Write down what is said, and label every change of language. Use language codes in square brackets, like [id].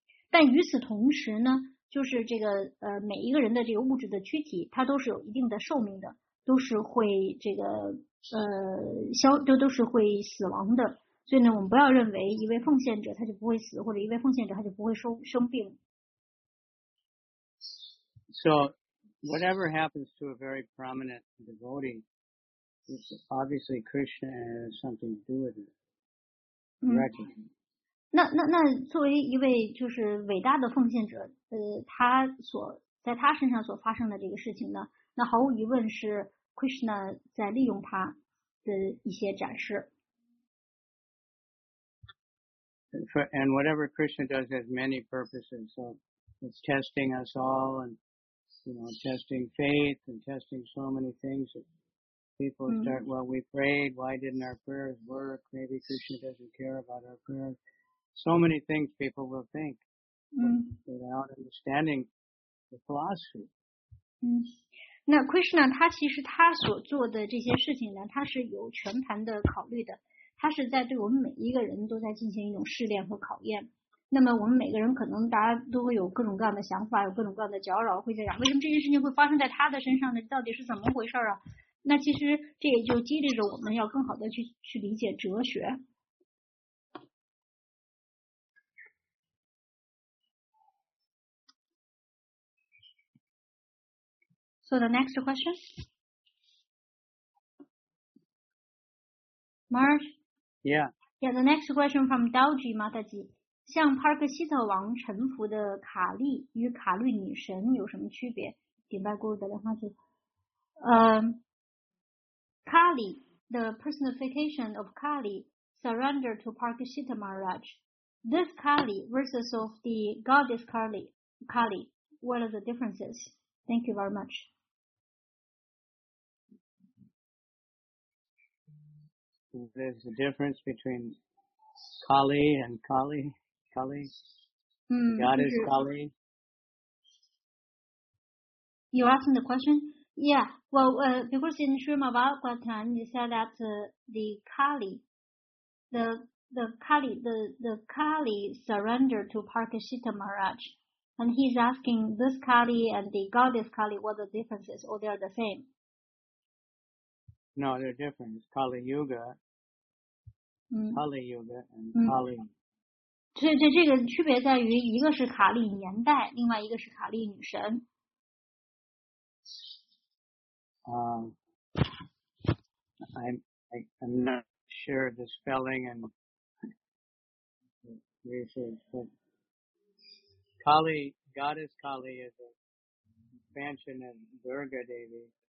[zh] 但与此同时呢？就是这个每一个人的这个物质的躯体，它都是有一定的寿命的，都是会这个都是会死亡的。所以呢，我们不要认为一位奉献者他就不会死，或者一位奉献者他就不会生病。 [en] So, whatever happens to a very prominent devotee, it's obviously Krishna has something to do with it. Right. [zh] 那作为一位就是伟大的奉献者，他所在他身上所发生的这个事情呢，那毫无疑问是 Krishna 在利用他的一些展示。 [en] And whatever Krishna does has many purposes, so it's testing us all, and you know, testing faith, and testing so many things. People start, well, we prayed, why didn't our prayers work? Maybe Krishna doesn't care about our prayers. So many things people will think without understanding the philosophy. [zh] 那 Krishna 他其实他所做的这些事情呢，他是有全盘的考虑的，他是在对我们每一个人都在进行一种试炼和考验。那么我们每个人可能大家都会有各种各样的想法，有各种各样的搅扰，会在想为什么这件事情会发生在他的身上呢？到底是怎么回事啊？那其实这也就激励着我们要更好的去理解哲学。 [en] So the next question, Marge. Yeah. The next question from Dalji Mataji. [zh] 向帕克希特王臣服的卡利与卡律女神有什么区别？顶拜过的莲花子。 [en] Kali, the personification of Kali, surrendered to Parikshita Maharaj. This Kali versus of the goddess Kali, what are the differences? Thank you very much. There's a difference between Kali and Kali. Kali, goddess Kali. You asking the question? Yeah. Well, because in Srimad Bhagavatam, you said that the Kali surrendered to Parikshita Maharaj, and he's asking this Kali and the goddess Kali, what are the differences, or they are the same? No, they're different. It's Kali Yuga. Kali Yuga and Kali. [zh] 这个区别在于，一个是卡利年代，另外一个是卡利女神。 [en] I'm not sure the spelling and research, but Kali, goddess Kali is an expansion of Durga Devi.